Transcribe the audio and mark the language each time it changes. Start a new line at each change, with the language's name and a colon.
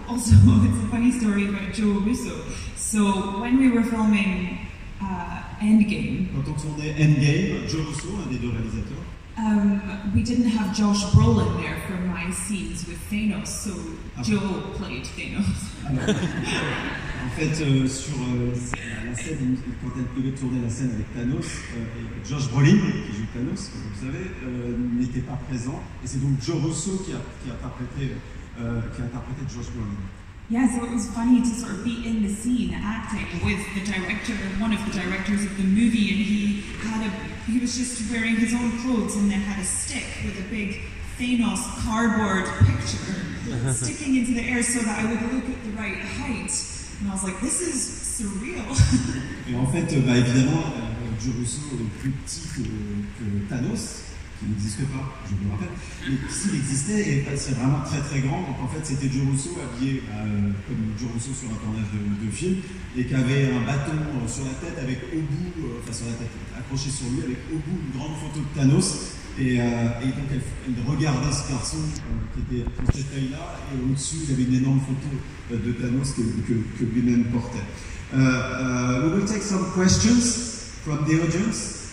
English: Also, it's a funny story about Joe Russo. So, when we were filming Endgame.
French: Quand on tournait Endgame, Joe Russo, un des deux réalisateurs.
English: We didn't have Josh Brolin there for my scenes with Thanos, so Joe played Thanos.
French: En fait, sur la scène, quand elle devait tourner la scène avec Thanos, Josh Brolin, qui joue Thanos, comme vous le savez, n'était pas présent. Et c'est donc Joe Russo qui a interprété Josh Brolin.
English: Yeah, so it was funny to sort of be in the scene acting with the director, one of the directors of the movie, and he was just wearing his own clothes and then had a stick with a big Thanos cardboard picture sticking into the air so that I would look at the right height. And I was like, this is surreal.
French: Et en fait, bah, évidemment, Joe Russo est plus petit que Thanos, qui n'existe pas, je vous le rappelle. Mais s'il existait, et c'est vraiment très très grand, donc en fait c'était Joe Russo habillé comme Joe Russo sur un tournage de film, et qui avait un bâton sur la tête avec au bout, enfin sur la tête, accroché sur lui, avec au bout une grande photo de Thanos, et donc elle regardait ce garçon qui était à cette taille-là, et au-dessus il y avait une énorme photo de Thanos que lui-même portait.
English: We will take some questions from the audience.